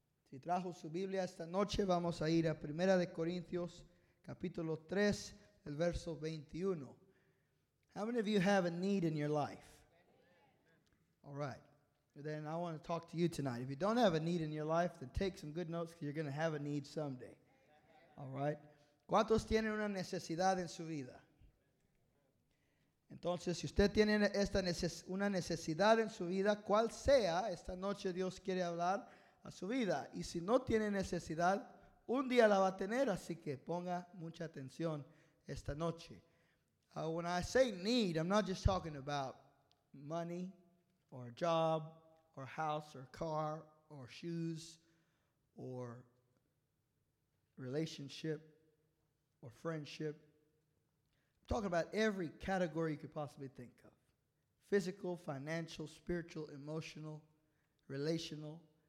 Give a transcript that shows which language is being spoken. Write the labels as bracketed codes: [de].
[es] Si trajo su Biblia esta noche, vamos a ir a 1 Corinthians capítulo 3, el verso 21. [en] How many of you have a need in your life? All right. Then I want to talk to you tonight. If you don't have a need in your life, then take some good notes because you're going to have a need someday. All right. [es] ¿Cuántos tienen una necesidad en su vida? Entonces, si usted tiene esta una necesidad en su vida, cual sea, esta noche Dios quiere hablar a su vida. Y si no tiene necesidad, un día la va a tener, así que ponga mucha atención esta noche. [en] When I say need, I'm not just talking about money or a job or a house or a car or shoes or relationship or friendship. I'm talking about every category you could possibly think of. Physical, financial, spiritual, emotional, relational.